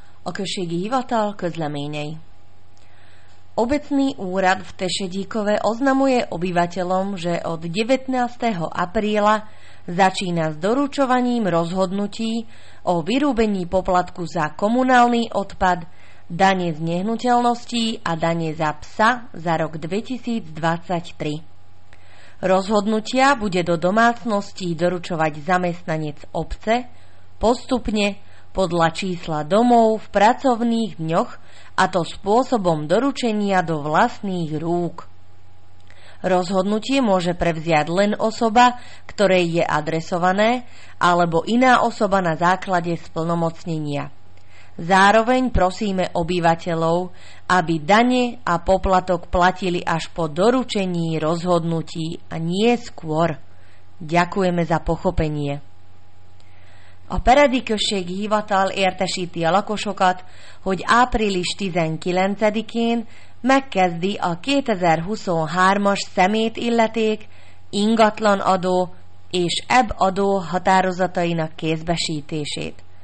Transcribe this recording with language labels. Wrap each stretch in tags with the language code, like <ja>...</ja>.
<hu>Okresiek hivatal Közleményei.</hu> <sk>Obecný úrad v Tešedíkove oznamuje obyvateľom, že od 19. apríla začína s doručovaním rozhodnutí o vyrúbení poplatku za komunálny odpad, dane z nehnuteľností a dane za psa za rok 2023. Rozhodnutia bude do domácností doručovať zamestnanec obce postupne podľa čísla domov v pracovných dňoch, a to spôsobom doručenia do vlastných rúk. Rozhodnutie môže prevziať len osoba, ktorej je adresované, alebo iná osoba na základe splnomocnenia. Zároveň prosíme obyvateľov, aby dane a poplatok platili až po doručení rozhodnutí a nie skôr. Ďakujeme za pochopenie.</sk> <hu>A peredi község hivatal értesíti a lakosokat, hogy április 19-én megkezdi a 2023-as szemét illeték, ingatlan adó és EB adó határozatainak kézbesítését.</hu>